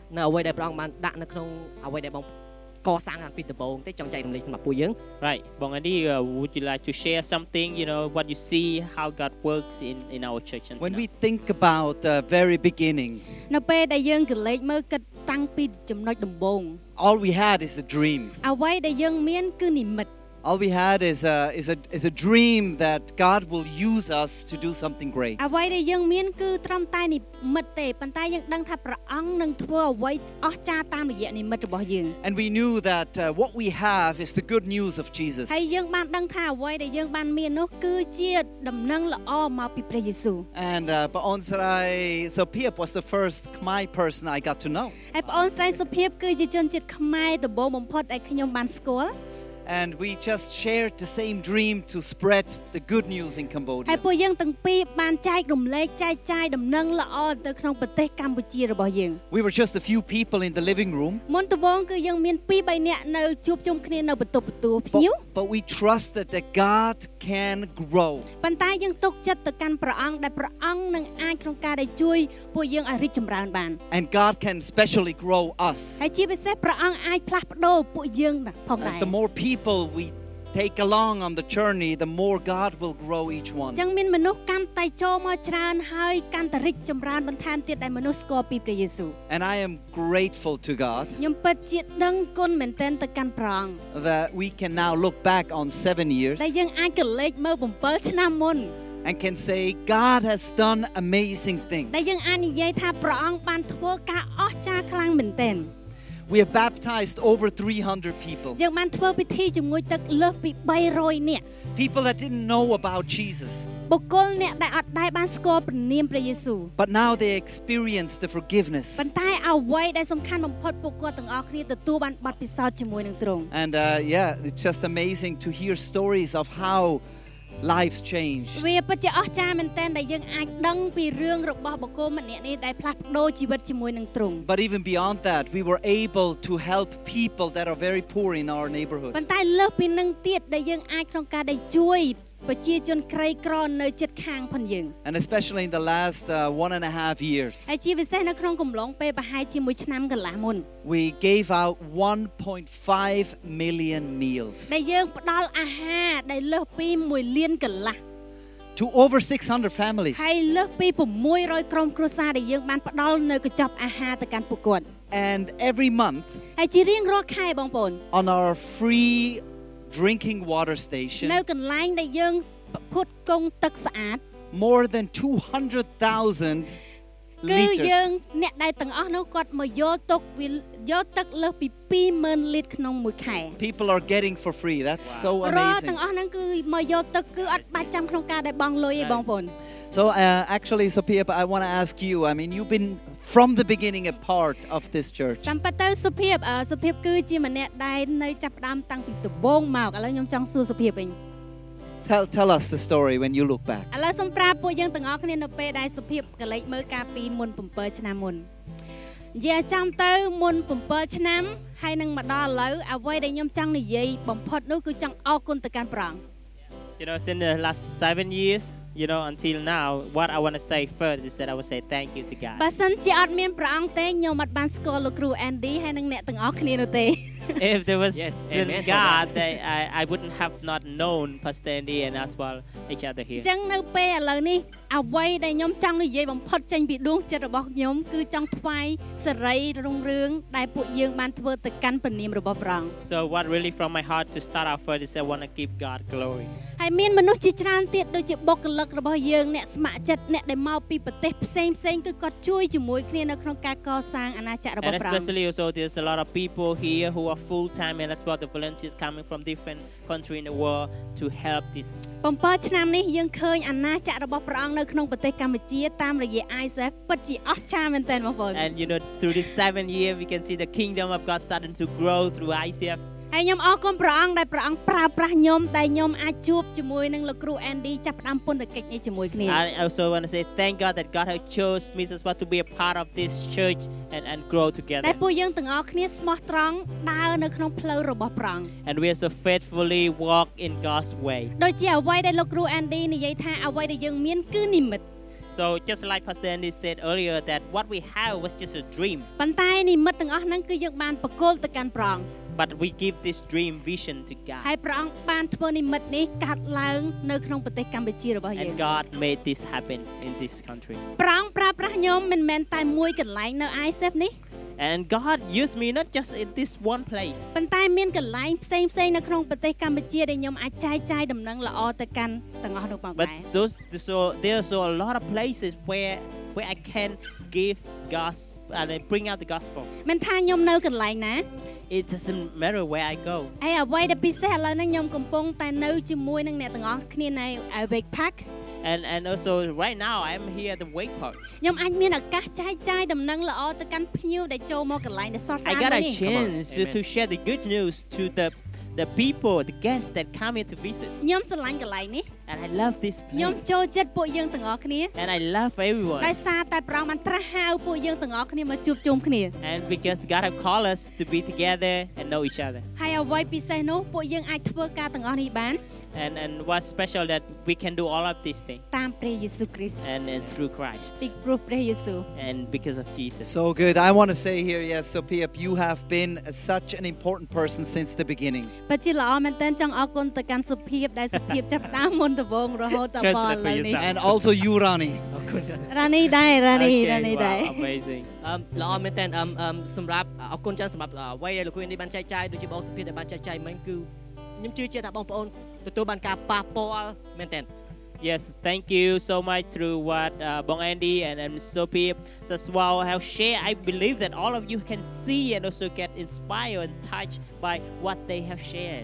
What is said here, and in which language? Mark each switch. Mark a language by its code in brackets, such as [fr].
[km] នៅអ្វីដែលប្រងបានដាក់នៅក្នុងអ្វីដែលបងកសាងតាំងពីដំបូងតែចង់ចែករំលែកសម្រាប់ពួកយើង [en] Right បង Andy would you like to share something you know what you see how God works in our church When we think about the very beginning [km] នៅពេលដែលយើងក្លែកមើលគិតតាំងពីចំណុចដំបូង [en] All we had is a dream [km] អ្វីដែលយើងមានគឺនិមិត្ត [en] All we had is a dream that God will use us to do something great. [km] អ្វីដែលយើងមានគឺត្រឹមតែនិមិត្តទេប៉ុន្តែយើងដឹងថាព្រះអង្គនឹងធ្វើអ្វីអស្ចារ្យតាមរយៈនិមិត្តរបស់យើង [en] And we knew that what we have is the good news of Jesus. [km] ហើយយើងបានដឹងថាអ្វីដែលយើងបានមាននោះគឺជាដំណឹងល្អមកពីព្រះយេស៊ូវ [en] And Paon Srai Sophia was the first Khmer person I got to know. [km] ហើយ Paon Srai Sophia គឺជាជនជាតិខ្មែរដំបូងបំផុតដែលខ្ញុំបានស្គាល់ [en] And we just shared the same dream to spread the good news in Cambodia. [km] ហើយពួកយើងទាំងពីរបានចែករំលែកចែកចាយដំណឹងល្អទៅក្នុងប្រទេសកម្ពុជារបស់យើង [en] We were just a few people in the living room. [km] មុនដំបូងគឺយើងមាន2-3នាក់នៅជួបជុំគ្នានៅបន្ទប់ទទួលភ្ញៀវ [en] But we trusted that God can grow. [km] ប៉ុន្តែយើងទុកចិត្តទៅកាន់ព្រះអង្គដែលព្រះអង្គនឹងអាចក្នុងការដែលជួយពួកយើងឲ្យរីកចម្រើនបាន [en] And God can specially grow us. [km] ហើយជាពិសេសព្រះអង្គអាចផ្លាស់ប្ដូរពួកយើងផងដែរ [en] The more people we take along on the journey the more God will grow each one [km] ចឹងមានមនុស្សកាន់តែចូលមកច្រើនហើយកាន់តែរីកចម្រើនបន្ថែមទៀតដែលមនុស្សស្គាល់ពីព្រះយេស៊ូវ [en] And I am grateful to God [km] ខ្ញុំពិតជាដឹងគុណមែនទែនទៅកាន់ព្រះអង្គ [en] That we can now look back on 7 years [km] ដែលយើងអាចក្លែកមើល7ឆ្នាំមុន [en] And can say God has done amazing things [km] ដែលយើងអាចនិយាយថាព្រះអង្គបានធ្វើការអស្ចារ្យខ្លាំងមែនទែន [en] We have baptized over 300 people. [km] យើងបានធ្វើពិធីជាមួយទឹកលើសពី300នាក់. [en] People that didn't know about Jesus. [km] បុគ្គលអ្នកដែលអត់ដែរបានស្គាល់ព្រះនាមព្រះយេស៊ូវ. [en] But now they experience the forgiveness. [km] ប៉ុន្តែអ្វីដែលសំខាន់បំផុតពួកគាត់ទាំងអស់គ្នាទទួលបានបទពិសោធន៍ជាមួយនឹងទ្រង់. [en] And yeah, it's just amazing to hear stories of how lives changed. [km] វាពិតជាអស្ចារ្យមែនទែនដែលយើងអាចដឹងពីរឿងរបស់បុគ្គលម្នាក់នេះដែលផ្លាស់ប្ដូរជីវិតជាមួយនឹងទ្រង់. [en] But even beyond that, we were able to help people that are very poor in our neighborhood. [km] ប៉ុន្តែលើសពីនឹងទៀតដែលយើងអាចក្នុងការដែលជួយប្រជាជនក្រីក្រនៅជិតខាងផងយើង. [en] And especially in the last 1.5 years. [km] ហើយជាពិសេសនៅក្នុងកំឡុងពេលប្រហែលជាមួយឆ្នាំកន្លះមុន. [en] We gave out 1.5 million meals. [km] ដែលយើងផ្ដល់អាហារដែលលើសពី1លានកន្លះ. [en] To over 600 families. [km] ហើយលើសពី600ក្រុមគ្រួសារដែលយើងបានផ្ដល់នៅកញ្ចប់អាហារទៅកាន់ពួកគាត់. [en] And every month. [km] ហើយជារៀងរាល់ខែបងប្អូន. [en] On our free drinking water station [km] នៅកន្លែងដែលយើងផ្គត់ផ្គង់ទឹកស្អាត [en] more than 200,000 [km] liters គឺយើងអ្នកដែលទាំងអស់នោះគាត់មកយកទឹកវាយកទឹកលើសពី 20,000 លីត្រក្នុងមួយខែ [en] people are getting for free that's so amazing [km] រាល់ទាំងអស់ហ្នឹងគឺមកយកទឹកគឺអត់បាច់ចាំក្នុងការដែលបង់លុយឯងបងប្អូន [en] so actually Sophia I want to ask you I mean you've been from the beginning a part of this church [km] តាមពិតទៅសុភាពសុភាពគឺជាម្នាក់ដែលនៅចាប់ផ្ដើមតាំងពីដំបូងមកឥឡូវខ្ញុំចង់សួរសុភាពវិញ [en] Tell us the story when you look back [km] ឥឡូវសូមប្រាប់ពួកយើងទាំងអស់គ្នានៅពេលដែលសុភាពក្លែកមើលកាលពីមុន7ឆ្នាំមុនយាចាំទៅមុន7ឆ្នាំហើយនឹងមកដល់ឥឡូវអ្វីដែលខ្ញុំចង់និយាយបំផុតនោះគឺចង់អរគុណទៅកាន់ព្រះអង្គ [en] You know since the last 7 years you know until now what I want to say first is that I would say thank you to God [km] បើសិនជាអត់មានព្រះអង្គទេខ្ញុំអត់បានស្គាល់លោកគ្រូ Andy ហើយនិងអ្នកទាំងអស់គ្នានោះទេ [en] If there was yes, God that I wouldn't have not known Pastor Andy and as well each other here [km] ចឹងនៅពេលឥឡូវនេះអ្វីដែលខ្ញុំចង់និយាយបំផុតចេញពីដួងចិត្តរបស់ខ្ញុំគឺចង់ថ្វាយសេរីរុងរឿងដែលពួកយើងបានធ្វើទៅកាន់ព្រះនាមរបស់ព្រះអង្គ [en] So what really from my heart to start off with is I want to give God glory [km] ហើយមានមនុស្សជាច្រើនទៀតដូចជាបុគ្គលិករបស់យើងអ្នកស្ម័គ្រចិត្តអ្នកដែលមកពីប្រទេសផ្សេងផ្សេងគឺគាត់ជួយជាមួយគ្នានៅក្នុងការកសាងអាណាចក្ររបស់ព្រះអង្គ [en] And especially also there's a lot of people here who are work full time and as well the volunteers coming from different country in the world to help this [km] ប៉ុន្តែឆ្នាំនេះយើងឃើញអំណាចរបស់ព្រះអង្គនៅក្នុងប្រទេសកម្ពុជាតាមរយៈ ISF ពិតជាអស្ចារ្យមែនទែនបងប្អូន [en] And you know through this 7 years we can see the kingdom of God starting to grow through ISF [km] ហើយខ្ញុំអរគុណព្រះអង្គដែលព្រះអង្គប្រើប្រាស់ខ្ញុំតែខ្ញុំអាចជួបជាមួយនឹងលោកគ្រូ Andy ចាប់ផ្ដើមពន្ធកិច្ចនេះជាមួយគ្នា [en] I also want to say thank God that God has chose me as well to be a part of this church and grow together [km] ហើយពួកយើងទាំងអស់គ្នាស្មោះត្រង់ដើរនៅក្នុងផ្លូវរបស់ព្រះអង្គ [en] And we are so faithfully walk in God's way [km] ដូចជាអ្វីដែលលោកគ្រូ Andy និយាយថាអ្វីដែលយើងមានគឺនិមិត្ត [en] So just like Pastor Andy said earlier that what we have was just a dream. [km] ប៉ុន្តែនិមិត្តទាំងអស់ហ្នឹងគឺយើងបានប្រគល់ទៅកាន់ព្រះអង្គ [en] But we give this dream vision to God. [km] ហើយព្រះអង្គបានធ្វើនិមិត្តនេះកើតឡើងនៅក្នុងប្រទេសកម្ពុជារបស់យើង [en] And God made this happen in this country. [km] ព្រះអង្គប្រើប្រាស់ខ្ញុំមិនមែនតែមួយកន្លែងនៅ ISF នេះ [en] And God used me not just in this one place. [km] ប៉ុន្តែមានកន្លែងផ្សេងផ្សេងនៅក្នុងប្រទេសកម្ពុជាដែលខ្ញុំអាចចែកចាយដំណឹងល្អទៅកាន់ទាំងអស់នោះបងប្អូន [en] But there's a lot of places where I can give God's and bring out the gospel. [km] មិនថាខ្ញុំនៅកន្លែងណា [en] It doesn't matter where I go. [km] ឯអ្វីដែលពិសេសឥឡូវនេះខ្ញុំកំពុងតែនៅជាមួយនឹងអ្នកទាំងអស់គ្នានៅ Awake Park. [en] And also right now I'm here at the wake park. [km] ខ្ញុំអាចមានឱកាសចែកចាយដំណឹងល្អទៅកាន់ភ្ញៀវដែលចូលមកកន្លែងនេះសោះសា [en] ននេះ I got a chance to share the good news to the people, the guests that come here to visit. [km] ខ្ញុំស្រឡាញ់កន្លែងនេះ [en] And I love this place. [km] ខ្ញុំចូលចិត្តពួកយើងទាំងអស់គ្នា [en] And I love everyone. [km] ដោយសារតែព្រះបានត្រាស់ហៅពួកយើងទាំងអស់គ្នាមកជួបជុំគ្នា [en] And because God have called us to be together and know each other. [km] ហើយអ្វីពិសេសនោះពួកយើងអាចធ្វើការទាំងអស់នេះបាន [en] And what's special that we can do all of these things. [km] តាមព្រះយេស៊ូវគ្រីស្ទ [en] And through Christ. Speak through ព្រះយេស៊ូវ And because of Jesus. So good. I want to say here, yes, Sophia, you have been such an important person since the beginning. [km] បាទជាល្អមែនទែនចង់អរគុណទៅកាន់សុភាពដែលសុភាពចាប់ដើមមុនដំបូងរហូតដល់ពេលនេះ [en] And also you, Rani. [km] Rani ដែរ Rani Rani ដែរ [en] Amazing. [km] ល្អមែនទែនសម្រាប់អរគុណច្រើនសម្រាប់វ័យលោកគ្រូនេះបានចែកចាយដូចជាបងសុភាពដែលបានចែកចាយមិញគឺខ្ញុំជឿជាក់ថាបងប្អូនទទួលបានការប៉ះពាល់មែនទែន [en] Yes thank you so much through what Bong Andy and Mr. Sophie as well have shared I believe that all of you can see and also get inspired and touched by what they have shared